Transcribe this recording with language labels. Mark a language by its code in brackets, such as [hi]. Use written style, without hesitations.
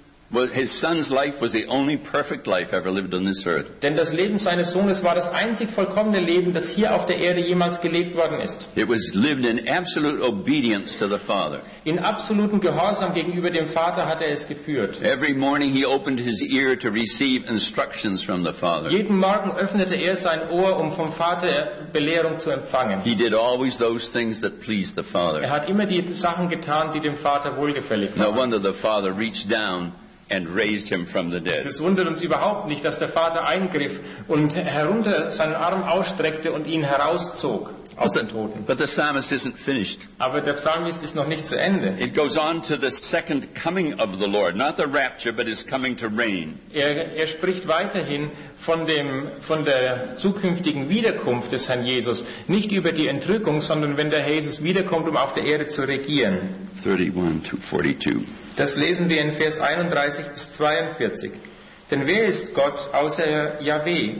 [en] His son's life was the only perfect life ever lived on this earth. [de] Denn das Leben seines Sohnes war das einzig vollkommene Leben, das hier auf der Erde jemals gelebt worden ist. [en] It was lived in absolute obedience to the Father. [de] In absolutem Gehorsam gegenüber dem Vater hat er es geführt. [en] Every morning he opened his ear to receive instructions from the Father. [de] Jeden Morgen öffnete er sein Ohr, um vom Vater Belehrung zu empfangen. [en] He did always those things that pleased the Father. [de] Er hat immer die Sachen getan, die dem Vater wohlgefällig waren. [en] No wonder the Father reached down and raised him from the dead. [de] Es wundert uns überhaupt nicht, dass der Vater eingriff und herunter seinen Arm ausstreckte und ihn herauszog aus den Toten. [en] But the psalmist isn't finished. [de] Aber der Psalmist ist noch nicht zu Ende. [en] It goes on to the second coming of the Lord, not the rapture, but his coming to reign. [de] Er spricht weiterhin von der zukünftigen Wiederkunft des Herrn Jesus, nicht über die Entrückung, sondern wenn der Herr Jesus wiederkommt, um auf der Erde zu regieren. [en] 31 to 42. [de] Das lesen wir in Vers 31 bis 42. Denn wer ist Gott außer Jahweh?